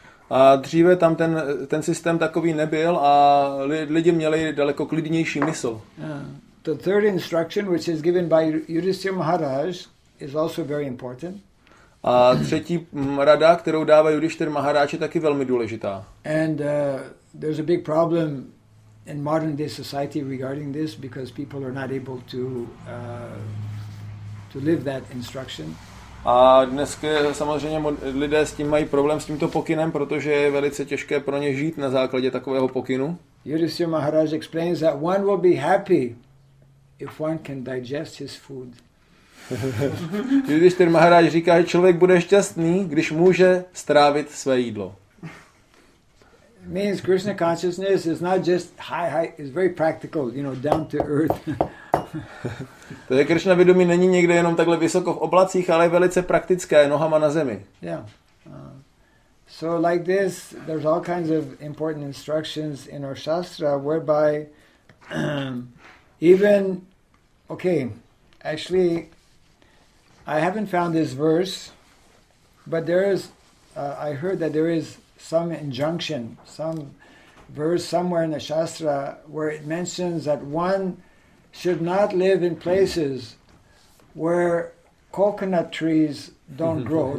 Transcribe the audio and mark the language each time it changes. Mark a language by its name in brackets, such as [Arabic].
[Czech] A dříve tam ten systém takový nebyl a lidi měli daleko klidnější mysl. [English] The third instruction, which is given by Yudhisthira Maharaj, is also very important. [Czech] A třetí rada, kterou dává Yudhisthira Maharaj, je taky velmi důležitá. [English] And there's a big problem in modern day society regarding this because people are not able to live that instruction. [Czech] A dneska samozřejmě lidé s tím mají problém s tímto pokynem, protože je velice těžké pro ně žít na základě takového pokynu. [English] Yudhisthira Maharaj explains that one will be happy if one can digest his food. [Czech] Yudhisthira Maharaj říká, že člověk bude šťastný, když může strávit své jídlo. [English] Means Krishna consciousness is not just high, it's very practical, you know, down to earth. [Czech] To je Krishna vědomí není někde jenom takhle vysoko v oblacích, ale je velice praktické, nohama na zemi. [English] Yeah. So like this, there's all kinds of important instructions in our shastra whereby even okay, actually I haven't found this verse, but there is I heard that there is some injunction, some verse somewhere in the shastra where it mentions that one should not live in places where coconut trees don't grow.